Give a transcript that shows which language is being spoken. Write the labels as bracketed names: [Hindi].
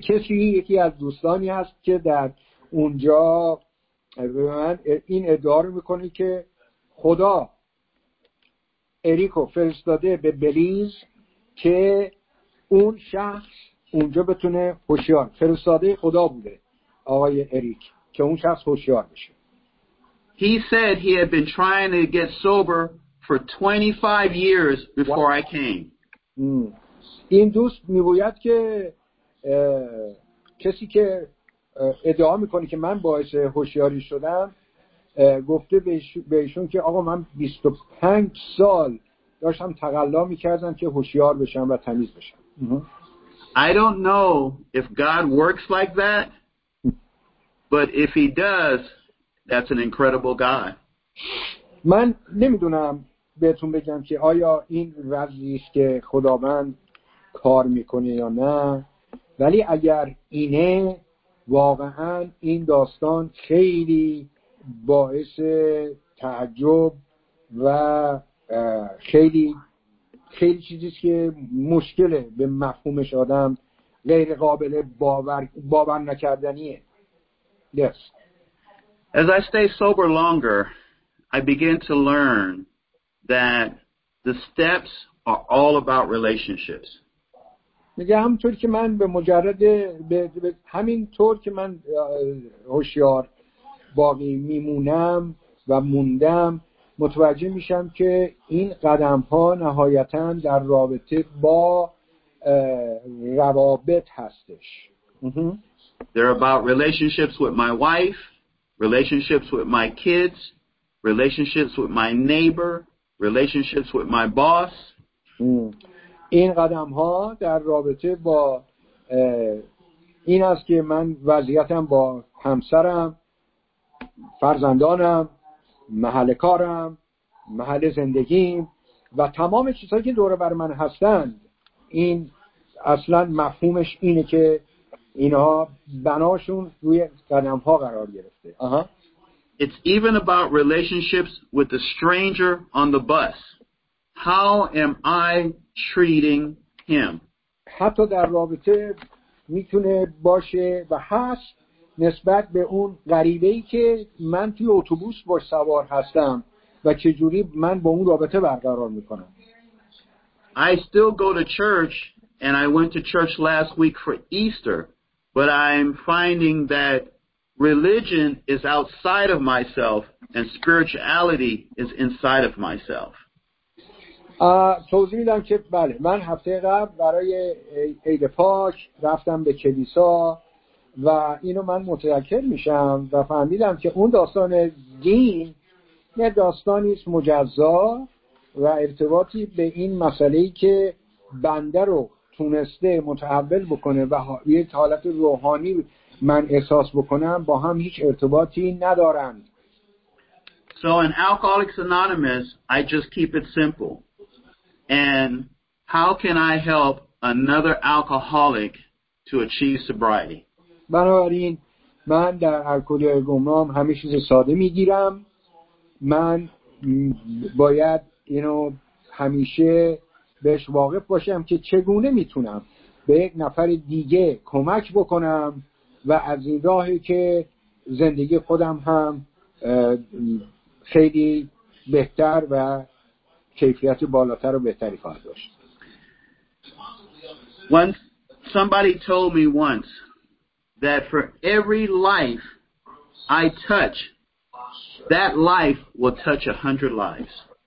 [Persian] یکی از دوستانی هست که در اونجا به من این ادعا رو میکنه که خدا اریکو فرستاده به بلیز که اون شخص اونجا بتونه هوشیار، فرستاده خدا بوده آقای اریک که اون شخص هوشیار بشه. [English] He said he had been trying to get sober for 25 years before I came. [Persian] این دوست میگوید که کسی که ادعا میکنه که من باعث هوشیاری شدم گفته بهشون که آقا من 25 سال داشتم تقلا میکردم که هوشیار بشم و تمیز بشم. [English] I don't know if God works like that, but if he does, that's an incredible God. [Persian] من نمیدونم بهتون بگم که آیا این وضعیست که خداوند کار میکنه یا نه، ولی اگر اینه واقعا این داستان خیلی باعث تعجب و خیلی خیلی چیزیست که مشکله به مفهومش آدم غیر قابل باور نکردنیه. [English] Yes. As I stay sober longer, I begin to learn that the steps are all about relationships. [Persian] میگه همونطور که من به مجرد به همین طور که من هوشیار باقی میمونم و موندم متوجه میشم که این قدم ها نهایتا در رابطه با روابط هستش. [English] They're about relationships with my wife, relationships with my kids, relationships with my neighbor, relationships with my boss. [Persian] این قدم ها در رابطه با این است که من وضعیتم با همسرم، فرزندانم، محل کارم، محل زندگیم و تمام چیزهایی که دور بر من هستند. این اصلا مفهومش اینه که اینها بناشون روی قدم ها قرار گرفته. [English] It's even about relationships with the stranger on the bus. How am I treating him? [Persian] حتی در رابطه میتونه باشه و هست نسبت به اون غریبه‌ای که من توی اتوبوس باش سوار هستم و چجوری من با اون رابطه برقرار میکنم. [English] I still go to church and I went to church last week for Easter, but I'm finding that religion is outside of myself and spirituality is inside of myself. [Persian] توضیح میدم که بله، من هفته قبل برای عید پاک رفتم به کلیسا و اینو من متذکر میشم و فهمیدم که اون داستان دین یه داستانی است مجزا و ارتباطی به این مسئله ای که بنده رو تونسته متحول بکنه و یه حالت روحانی من احساس بکنم با هم هیچ ارتباطی ندارند. [English] So in Alcoholics Anonymous, I just keep it simple. And how can I help another alcoholic to achieve sobriety? [Persian] بنابراین من در الکلی گمنام همه چیز ساده میگیرم. من باید اینو همیشه بهش واقف باشم که چگونه میتونم به یک نفر دیگه کمک بکنم و از این راهی که زندگی خودم هم خیلی بهتر و کیفیت بالاتر و بهتری خواهد داشت. [English] Once somebody told me once that for every life I touch, that life will touch 100 lives.